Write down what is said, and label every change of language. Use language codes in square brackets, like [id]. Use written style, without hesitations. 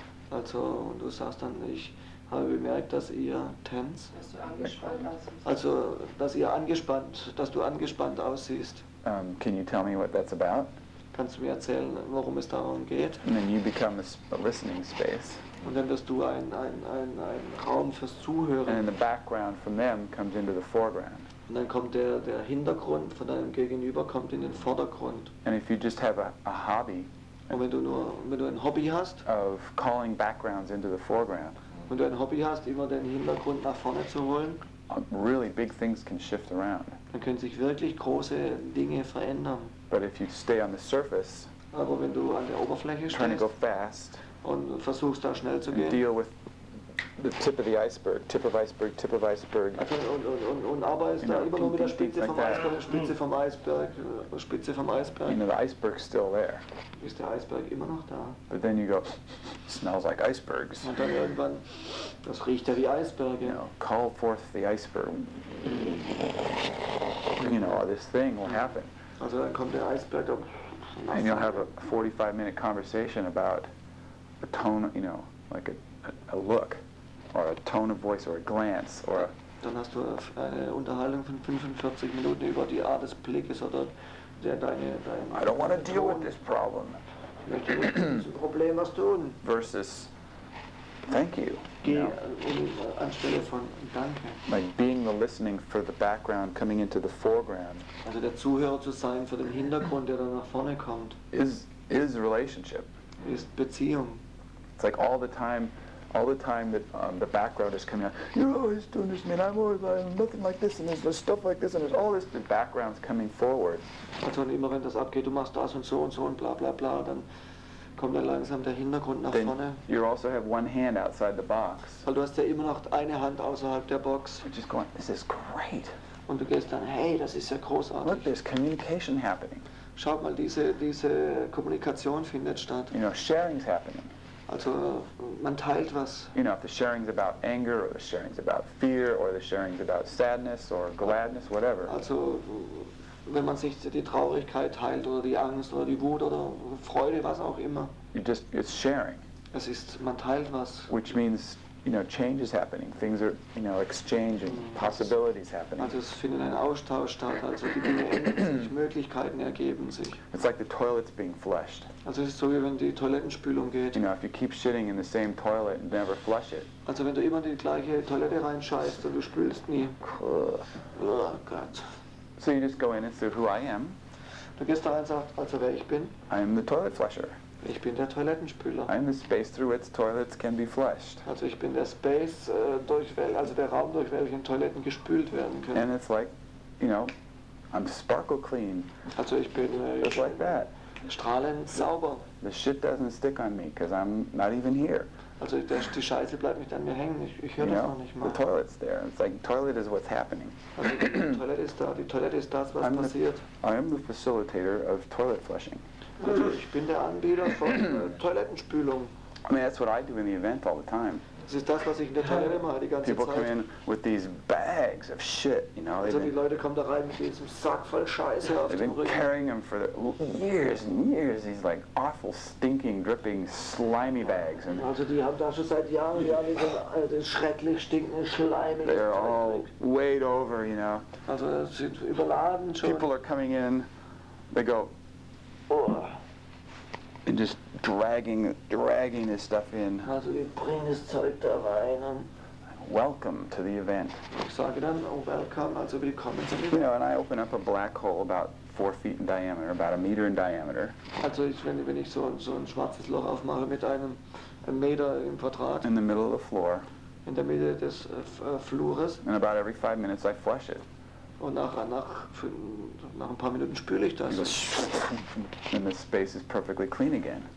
[de] Also, und du sagst dann, ich habe bemerkt, dass ihr [en] tense. [de] Also, dass ihr angespannt, dass du angespannt aussiehst. [en] Can you tell me what that's about? [de] Kannst du mir erzählen, worum es darum geht? [en] And then you become a listening space. [de] Und dann wirst du ein Raum fürs Zuhören. [en] And then the background from them comes into the foreground. [de] Und dann kommt der Hintergrund von deinem Gegenüber kommt in den Vordergrund. [en] And if you just have a hobby. [de] Und wenn du ein Hobby hast. [en] Of calling backgrounds into the foreground. [de] Wenn du ein Hobby hast, immer den Hintergrund nach vorne zu holen, [en] really big things can shift around. [de] Dann können sich wirklich große Dinge verändern. [en] But if you stay on the surface, [de] aber wenn du an der Oberfläche stehst [en] go fast, [de] und versuchst, da schnell zu gehen, [en] deal with the tip of the iceberg, tip of iceberg, tip of iceberg. [de] Also und arbeitest da immer nur mit der Spitze vom Eisberg, Spitze vom Eisberg, Spitze vom Eisberg. [en] You know, the iceberg's still there. [de] Ist der Eisberg immer noch da? [en] But then you go, smells like icebergs. [de] Und dann irgendwann, das riecht ja wie Eisberge. [en] You know, call forth the iceberg. You know, this thing will happen. [de] Also dann kommt der Eisberg um. [en] And you'll have a 45-minute conversation about a tone, you know, like a look. Or a tone of voice, or a glance, or a... [de] Dann hast du eine Unterhaltung von 45 Minuten über die Art des Blickes oder dein [en] I don't want to deal with this problem. [de] Ich möchte mit diesem Problem was tun. [en] Versus, thank you. [de] Anstelle von danke. [en] Like being the listening for the background, coming into the foreground. [de] Also der Zuhörer zu sein für den Hintergrund, der dann nach vorne kommt. [en] Is relationship. [de] Ist Beziehung. [en] It's like all the time... All the time that the background is coming out, you're always doing this, man. I'm always nothing like this, and there's stuff like this, and there's all this. The background's coming forward. [de] Also, immer wenn das abgeht, du machst das und so, bla bla bla, dann kommt dann langsam der Hintergrund nach [en] then [de] vorne. [en] You also have one hand outside the box. [de] Weil du hast ja immer noch eine Hand außerhalb der Box. [en] You're just going, this is great. [de] Und du gehst dann, hey, das ist ja großartig. [en] Look, there's communication happening. [de] Schaut mal, diese Kommunikation findet statt. [en] You know, sharing's happening. [de] Also man teilt was. [en] You know, if the sharing's about anger, or the sharing's about fear, or the sharing's about sadness, or gladness, whatever. [de] Also wenn man sich die Traurigkeit teilt oder die Angst oder die Wut oder Freude, was auch immer. [en] It's sharing. [de] Es ist, man teilt was. [en] Which means, you know, change is happening. Things are, you know, exchanging. Possibilities happening. [de] Also es findet ein Austausch statt. Also die Dinge ändern sich, Möglichkeiten ergeben sich. [en] It's like the toilet's being flushed. [de] Also es ist so wie wenn die Toilettenspülung geht. [en] You know, if you keep shitting in the same toilet and never flush it. [de] Also wenn du immer die gleiche Toilette reinscheißt und du spülst nie. Oh Gott. [en] So you just go in and say who I am. [de] Du gehst da rein und sagst, also wer ich bin. [en] I am the toilet flusher. [de] Ich bin der Toilettenspüler. [en] I'm the space through which toilets can be flushed. [de] Also ich bin der Space der Raum durch welchen Toiletten gespült werden können. [en] And it's like, you know, I'm sparkle clean. [de] Also ich bin [en] just like that. [de] Strahlend sauber. [en] The shit doesn't stick on me because I'm not even here. [de] Also die Scheiße bleibt nicht an mir hängen. Ich höre das [en] know, [de] noch nicht mal. [en] The toilet's there. It's like toilet is what's happening. [de] Also die Toilette ist da. Die Toilette ist das, was passiert. [en] I am the facilitator of toilet flushing. [de] Also ich bin der Anbieter von Toilettenspülung. [en] I mean, that's what I do in the event all the time. [de] Das ist das, was ich in der Toilette mache die ganze [en] People [de] Zeit. [en] People come in with these bags of shit, you know. [de] Also die Leute kommen da rein mit diesem Sack voll Scheiße auf dem Rücken. [en] They've been carrying them for years and years, these like awful, stinking, dripping, slimy bags. And [de] also die haben da schon seit Jahren und Jahren diesen schrecklich stinkenden, schleimigen Dreck. [en] They're all weighed over, you know. [de] Also sind überladen schon. [en] People are coming in, they go, and just dragging this stuff in. [de] Also wir bringen das Zeug da rein. [en] Welcome to the event. [de] Ich sage dann, [en] oh, welcome, [de] also willkommen zum Event. [en] You know, and I open up a black hole about 4 feet in diameter, about a meter in diameter. [de] Also ich, wenn ich so ein schwarzes Loch aufmache mit einem Meter im Quadrat. [en] In the middle of the floor. [de] In der Mitte des Flures. [en] And about every 5 minutes I flush it. [de] Und nach ein paar Minuten spüle ich das. [en] And the space is perfectly clean again.